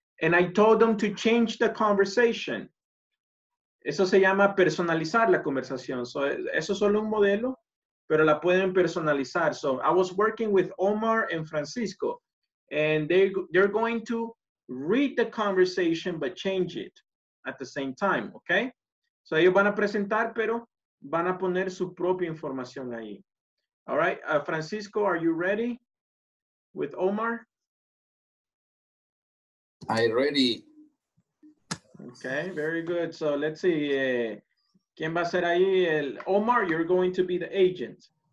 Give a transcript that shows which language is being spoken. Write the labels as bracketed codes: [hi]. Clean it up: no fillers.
[en] And I told them to change the conversation. [es] Eso se llama personalizar la conversación. So, eso es solo un modelo, pero la pueden personalizar. [en] So, I was working with Omar and Francisco, and they're going to read the conversation, but change it at the same time, okay? [es] So, ellos van a presentar, pero van a poner su propia información ahí. [en] All right, Francisco, are you ready with Omar? I ready. Okay, very good. So let's see. [es] ¿Quién va a ser ahí? [en] El Omar, you're going to be the agent.